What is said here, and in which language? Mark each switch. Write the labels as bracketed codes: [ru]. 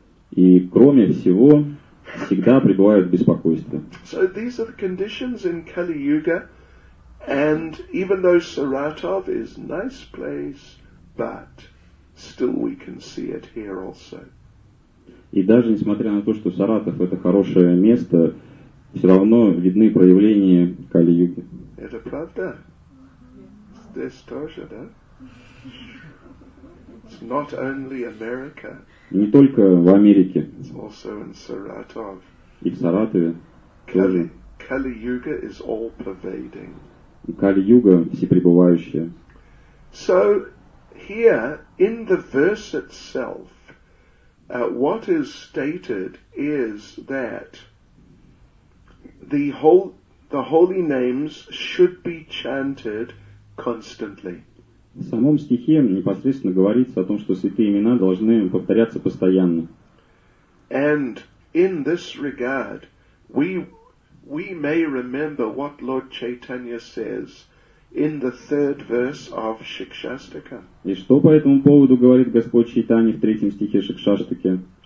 [ru] И кроме всего, всегда пребывают в беспокойстве. [en] So these are the conditions in Kali-Yuga. And even though Saratov is nice place, but still we can see it here also. [ru] И даже несмотря на то, что Саратов это хорошее место, все равно видны проявления Кали-Юги. Это правда? Здесь тоже, да? [en] It's not only America. [ru] Не только в Америке. [en] It's also in Saratov. [ru] И в Саратове. [en] Кали-Юга is all pervading. [ru] Кали-юга всепребывающая. [en] So here in the verse itself, what is stated is that the holy names should be chanted constantly. [ru] В самом стихе непосредственно говорится о том, что святые имена должны повторяться постоянно. [en] And in this regard, we may remember what Lord Chaitanya says in the third verse of Shikshastaka. [ru] И что по этому поводу говорит Господь Чайтанья в третьем стихе Шикшаштаки?